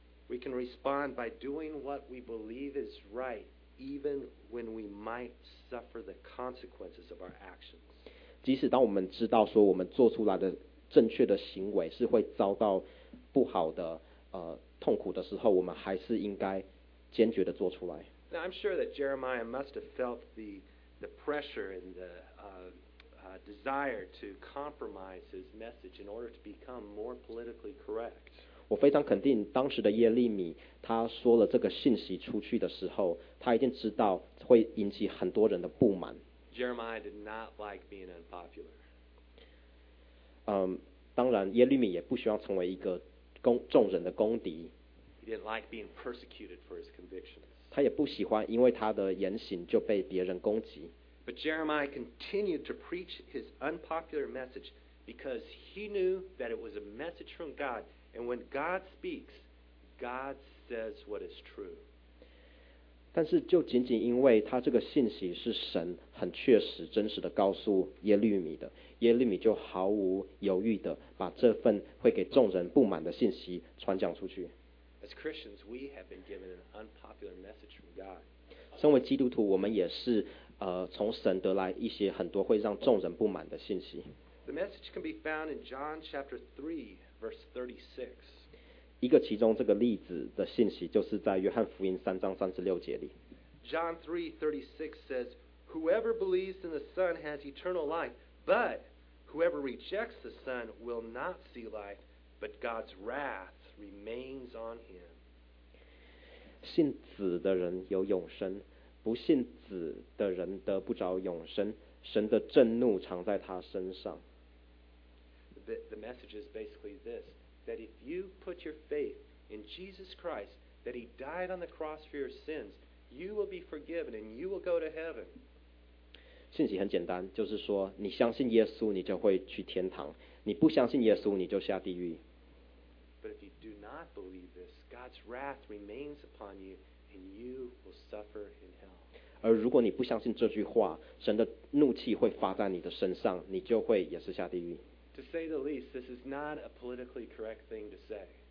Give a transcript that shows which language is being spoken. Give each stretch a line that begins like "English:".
English: We can respond by doing what we believe is right, even when we might suffer the consequences of our actions.
Chinese: 即使当我们知道说我们做出来的正确的行为是会遭到不好的痛苦的时候，我们还是应该坚决地做出来。
English: Now I'm sure that Jeremiah must have felt the pressure and the desire to compromise his message in order to become more politically correct.
Chinese: 我非常肯定，当时的耶利米他说了这个信息出去的时候，他一定知道会引起很多人的不满。
English: Jeremiah did not like being unpopular.
Chinese: 当然，耶利米也不希望成为一个众人的公敌。
English: He didn't like being persecuted for his convictions.
Chinese: 他也不喜欢因为他的言行就被别人攻击。
English: But Jeremiah continued to preach his unpopular message because he knew that it was a message from God. And when God speaks, God says what is true.
Chinese: 但是就仅仅因为他这个信息是神很确实真实的告诉耶利米的，耶利米就毫无犹豫的把这份会给众人不满的信息传讲出去。
English: As Christians, we have been given an unpopular message from God.
Chinese: 身为基督徒，我们也是从神得来一些很多会让众人不满的信息。
English: The message can be found in John chapter 3, verse 36.
Chinese: 一个其中这个例子的信息就是在约翰福音三章三十六节里。
English: John 3:36 says, "Whoever believes in the Son has eternal life, but whoever rejects the Son will not see life, but God's wrath." Remains on him.
Chinese: 信子的人有永生，不信子的人得不着永生。神的震怒常在他身上。
English: The message is basically this: that if you put your faith in Jesus Christ, that He died on the cross for your sins, You will be forgiven and you will go to heaven.
Chinese: 信息很简单，就是说你相信耶稣，你就会去天堂；你不相信耶稣，你就下地狱。
English: But if you do not believe this, God's wrath remains upon you, and you will suffer in hell.
Chinese: 而如果你不相信这句话，神的怒气会发在你的身上，你就会也是下地狱。
English: To say the least, this is not a politically correct thing to say.